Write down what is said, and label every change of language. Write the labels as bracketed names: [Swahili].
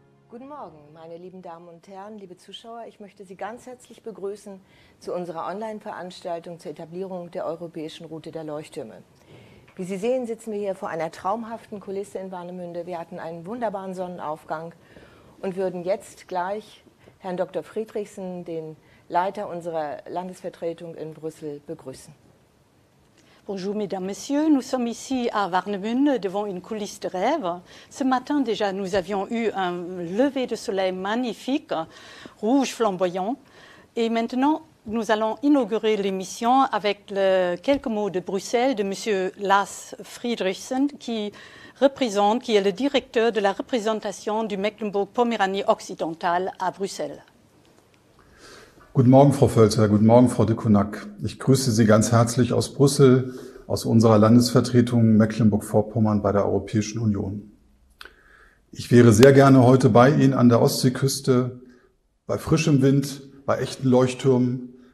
[German] Guten Morgen, meine lieben Damen und Herren, liebe Zuschauer. Ich möchte Sie ganz herzlich begrüßen zu unserer Online-Veranstaltung zur Etablierung der europäischen Route der Leuchttürme. Wie Sie sehen, sitzen wir hier vor einer traumhaften Kulisse in Warnemünde. Wir hatten einen wunderbaren Sonnenaufgang und würden jetzt gleich Herrn Dr. Friedrichsen, den Leiter unserer Landesvertretung in Brüssel, begrüßen. [French] Bonjour, mesdames, messieurs. Nous sommes ici à Warnemünde devant une coulisse de rêve. Ce matin, déjà, nous avions eu un lever de soleil magnifique, rouge flamboyant. Et maintenant, nous allons inaugurer l'émission avec quelques mots de Bruxelles de Monsieur Lars Friedrichsen, qui est le directeur de la représentation du Mecklenburg-Poméranie-Occidentale à Bruxelles. [German] Guten Morgen, Frau Völzer. Guten Morgen, Frau de Cunac. Ich grüße Sie ganz herzlich aus Brüssel, aus unserer Landesvertretung Mecklenburg-Vorpommern bei der Europäischen Union. Ich wäre sehr gerne heute bei Ihnen an der Ostseeküste, bei frischem Wind, bei echten Leuchttürmen.